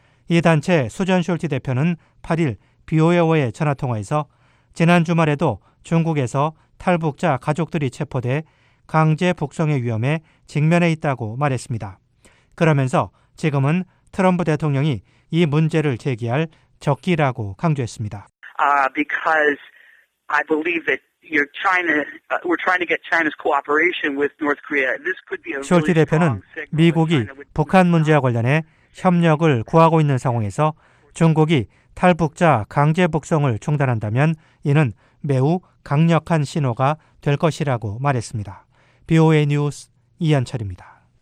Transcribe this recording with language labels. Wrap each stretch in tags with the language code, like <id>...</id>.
<ko>이 단체 수전 숄티 대표는 8일 BOA와의 전화통화에서 지난 주말에도 중국에서 탈북자 가족들이 체포돼 강제 북송의 위험에 직면해 있다고 말했습니다. 그러면서 지금은 트럼프 대통령이 이 문제를 제기할 적기라고 강조했습니다.</ko> <en>Because I believe that we're trying to get China's cooperation with North Korea. This could be a</en> <ko>숄티 대표는 미국이 북한 문제와 관련해 협력을 구하고 있는 상황에서 중국이 탈북자 강제 북송을 중단한다면 이는 매우 강력한 신호가 될 것이라고 말했습니다. BOA 뉴스 이한철입니다.</ko>